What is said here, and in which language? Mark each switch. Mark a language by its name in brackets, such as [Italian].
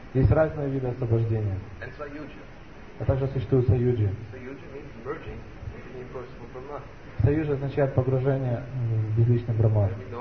[Russian] Есть разные виды освобождения. [English] And Sayujya. [Russian] А также существует Саюджи. [English] Саюджи means merging into the impersonal Brahman. [Russian] Саюджи означает погружение в безличный Брахман.